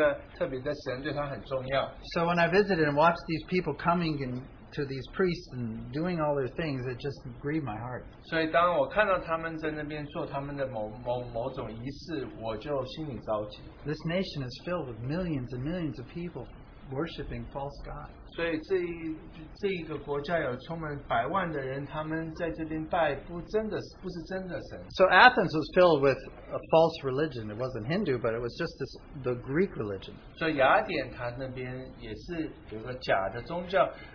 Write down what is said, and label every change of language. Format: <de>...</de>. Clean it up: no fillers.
<zh>每次回去的时候，他们会去某一座山上，因为那边有一个特别的神，对他很重要。</zh> <en>So when I visited and watched these people coming in to these priests and doing all their things, it just grieved my heart.</en> <zh>所以当我看到他们在那边做他们的某某种仪式，我就心里着急。</zh> <en>This nation is filled with millions and millions of people worshiping false gods.</en> <zh>所以这一个国家有充满百万的人，他们在这边拜不真的不是真的神。</zh> <en>So Athens was filled with a false religion. It wasn't Hindu, but it was just the Greek religion.</en> <zh>所以雅典它那边也是有个假的宗教。</zh>